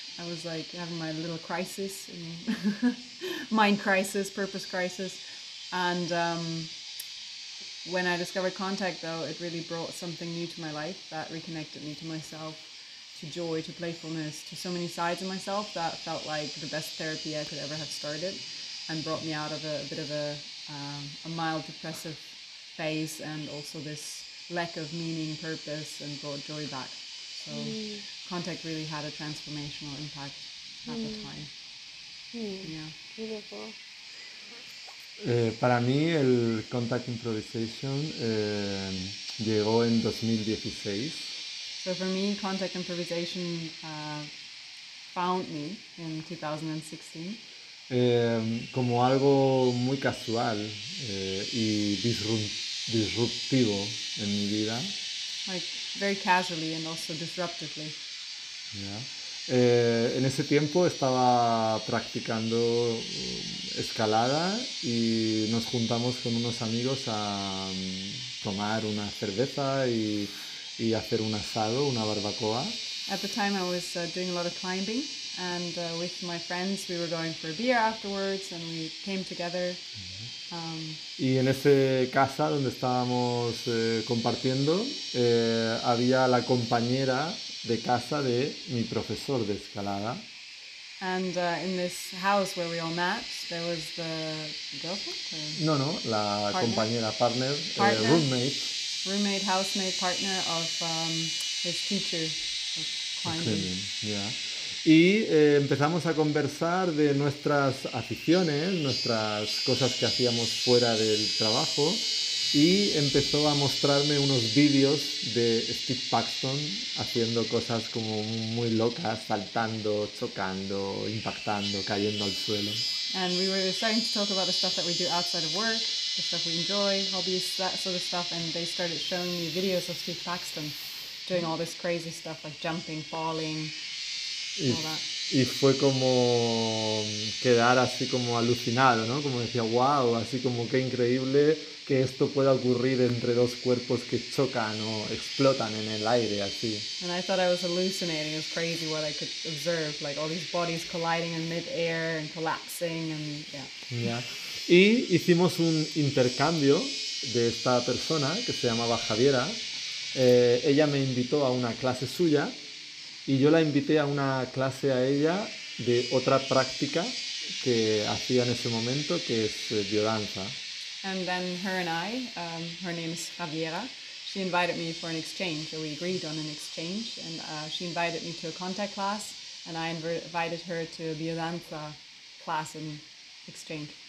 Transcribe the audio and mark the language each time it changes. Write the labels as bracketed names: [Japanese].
[English] I was like having my little crisis, mind crisis, purpose crisis, and when I discovered contact though, it really brought something new to my life that reconnected me to myself, to joy, to playfulness, to so many sides of myself that felt like the best therapy I could ever have started, and brought me out of a bit of a mild depressive phase, and also this lack of meaning, purpose, and brought joy back. So contact really had a transformational impact at the time. Mm. Yeah. Beautiful. [Spanish] Para mí, el contact improvisation llegó en 2016. [English] So for me, contact improvisation found me in 2016. [Spanish] Como algo muy casual y disruptivo en mi vida. [English] Like very casually and also disruptively. Yeah. [Spanish] En ese tiempo estaba practicando escalada y nos juntamos con unos amigos a tomar una cerveza y hacer un asado, una barbacoa. [English] At the time I was doing a lot of climbing, and with my friends we were going for a beer afterwards, and we came together. [Spanish] Y en ese casa donde estábamos compartiendo había la compañera de casa de mi profesor de escalada. [English] And in this house where we all met, there was the girlfriend? [Spanish] No, la partner? Compañera, partner. Roommate. [English] Roommate, housemate, partner of his teacher of climbing. Yeah. [Spanish] Y empezamos a conversar de nuestras aficiones, nuestras cosas que hacíamos fuera del trabajo, y empezó a mostrarme unos vídeos de Steve Paxton haciendo cosas como muy locas, saltando, chocando, impactando, cayendo al suelo. [English] And we were starting to talk about the stuff that we do outside of work, the stuff we enjoy, hobbies, that sort of stuff, and they started showing me videos of Steve Paxton doing all this crazy stuff like jumping, falling, [Spanish] y fue como quedar así como alucinado, ¿no? Como decía, wow, así como qué increíble que esto pueda ocurrir entre dos cuerpos que chocan o explotan en el aire así. [English] And I thought I was hallucinating. It was crazy what I could observe, like all these bodies colliding in mid-air and collapsing and [Spanish] Y hicimos un intercambio de esta persona que se llamaba Javiera. Ella me invitó a una clase suya. Y yo la invité a una clase a ella de otra práctica que hacía en ese momento, que es biodanza. [English] And then her and I, her name is Javiera, she invited me for an exchange, or we agreed on an exchange, and she invited me to a contact class, and I invited her to a biodanza class in exchange.